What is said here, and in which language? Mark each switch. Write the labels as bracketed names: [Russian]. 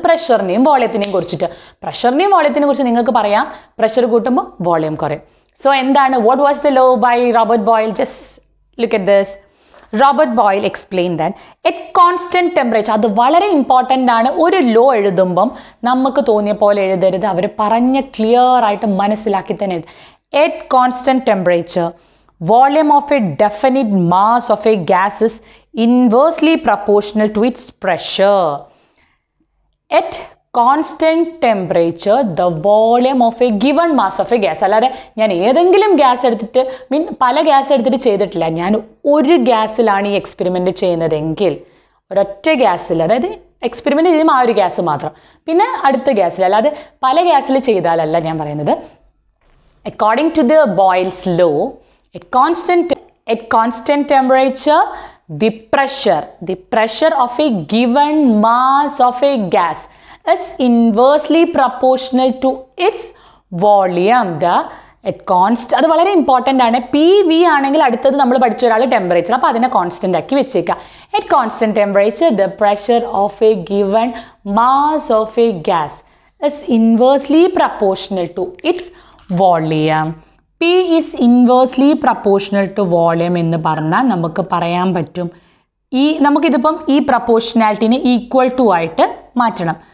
[Malayalam] പ്രഷറിനെയും വോളിയത്തിനെയും കുറിച്ചിട്ട്. പ്രഷറിനെയും വോളിയത്തിനെ കുറിച്ച് നിങ്ങൾക്ക് പറയാം, പ്രഷർ കൂട്ടുമ്പോൾ വോളിയം കുറയും. [English] so [Malayalam] എന്താണ്, [English] What was the law by Robert Boyle? Just look at this. [Malayalam] Robert Boyle [English] explain that at constant temperature, [Malayalam] അത് വളരെ ഇമ്പോർട്ടൻ്റ് ആണ്, ഒരു ലോ എഴുതുമ്പം നമുക്ക് തോന്നിയ പോലെ എഴുതരുത്, അവർ പറഞ്ഞ ക്ലിയർ ആയിട്ട് മനസ്സിലാക്കി തന്നെ എഴുതും. [English] At constant temperature, volume of a definite mass of a gas is inversely proportional to its pressure. At constant temperature, the volume of a given mass of a gas, [Malayalam] അല്ലാതെ ഞാൻ ഏതെങ്കിലും ഗ്യാസ് എടുത്തിട്ട്, മീൻ പല gas എടുത്തിട്ട് ചെയ്തിട്ടില്ല, ഞാൻ ഒരു ഗ്യാസിലാണ് ഈ എക്സ്പെരിമെൻറ്റ് ചെയ്യുന്നതെങ്കിൽ, ഒരൊറ്റ ഗ്യാസിൽ, അതായത് എക്സ്പെരിമെൻറ്റ് ചെയ്യുമ്പോൾ ആ ഒരു ഗ്യാസ് മാത്രം, പിന്നെ അടുത്ത ഗ്യാസിൽ, അല്ലാതെ പല ഗ്യാസിൽ ചെയ്താലല്ല ഞാൻ പറയുന്നത്. [English] According to the Boyle's law, at constant temperature, the pressure of a given mass of a gas is inversely proportional to its volume. [Malayalam] അത് വളരെ ഇമ്പോർട്ടൻ്റ് ആണ്. പി വി ആണെങ്കിൽ അടുത്തത് നമ്മൾ പഠിച്ച ഒരാൾ ടെമ്പറേച്ചർ, അപ്പോൾ അതിനെ കോൺസ്റ്റൻ്റ് ആക്കി വെച്ചേക്കുക. [English] At constant temperature the pressure of a given mass of a gas is inversely proportional to its volume. P is inversely proportional to volume [Malayalam] എന്ന് പറഞ്ഞാൽ നമുക്ക് പറയാൻ പറ്റും, ഈ നമുക്കിതിപ്പം ഈ പ്രപ്പോർഷണാലിറ്റിനെ ഈക്വൽ ടു ആയിട്ട് മാറ്റണം.